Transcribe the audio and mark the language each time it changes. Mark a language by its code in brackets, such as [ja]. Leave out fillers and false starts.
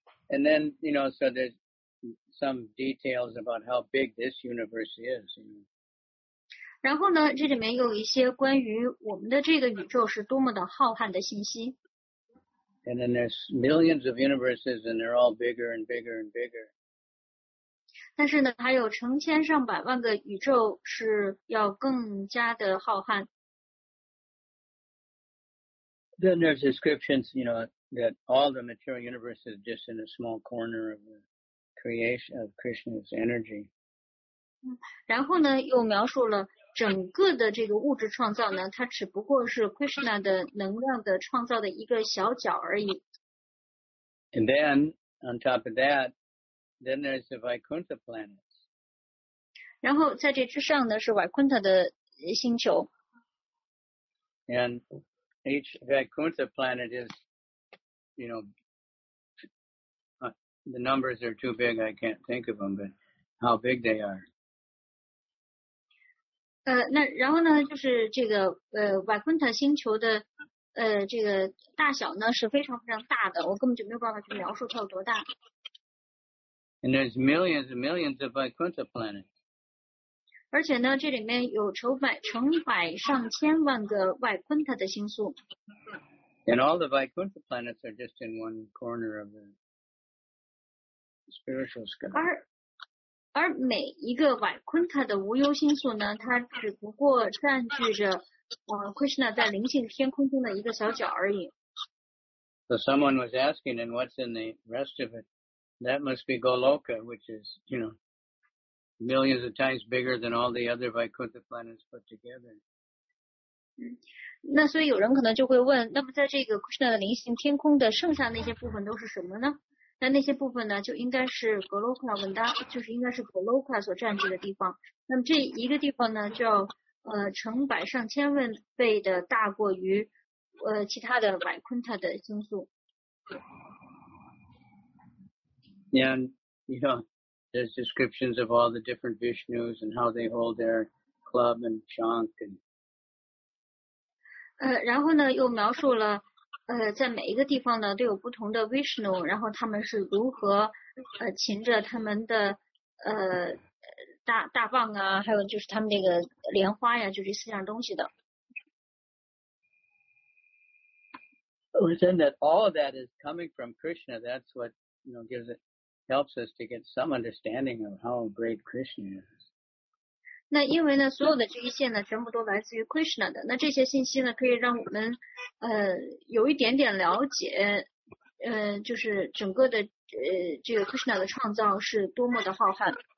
[en] And then, you know, so there's some details about how big this universe is, you know. [zh] 然后呢这里面有一些关于我们的这个宇宙是多么的浩瀚的信息。 [en] And then there's millions of universes and they're all bigger and bigger and bigger. [zh] 但是呢还有成千上百万个宇宙是要更加的浩瀚。 [en] Then there's descriptions, you know, that all the material universe is just in a small corner of the creation of Krishna's energy. [zh] 然后呢又描述了整个的这个物质创造呢它只不过是 Krishna 的能量的创造的一个小角而已。 [en] And then, on top of that, then there's the Vaikuntha planets. [zh] 然后在这之上呢是 Vaikuntha 的星球。 [en] And each Vaikuntha planet is, you know, the numbers are too big, I can't think of them, but how big they are. [zh] 那然后呢就是这个瓦昆特星球的这个大小呢是非常非常大的，我根本就没有办法去描述它有多大。 [en] And there's millions and millions of Vaikuntha planets. [zh] 而且呢这里面有成百上千万个瓦昆特的星宿。 [en] And all the Vaikuntha planets are just in one corner of the spiritual sky. [zh] 而每一个瓦昆塔的无忧星宿呢它只不过占据着Krishna 在灵性天空中的一个小角而已。 [en] So someone was asking, and what's in the rest of it? That must be Goloka, which is, you know, millions of times bigger than all the other Vaikuntha planets put together. [zh] 那所以有人可能就会问，那么在这个 Krishna 的灵性天空的剩下那些部分都是什么呢？那些部分呢就应该是 Goloka Vanda, 就是应该是 Goloka 所占据的地方。那么这一个地方呢就要成百上千万倍的大过于其他的 Vaikuntha 的星宿。 [en] And, you know, there's descriptions of all the different Vishnus and how they hold their club and chank and... [zh] 然后呢又描述了在每一个地方呢都有不同的 Vishnu, 然后他们是如何擎着他们的大棒啊，还有就是他们那个莲花呀，就这四样东西的。 [en] Within that, all of that is coming from Krishna, that's what, you know, helps us to get some understanding of how great Krishna is. [zh] 那因为呢所有的这一切呢全部都来自于 Krishna 的，那这些信息呢可以让我们有一点点了解就是整个的这个 Krishna 的创造是多么的浩瀚。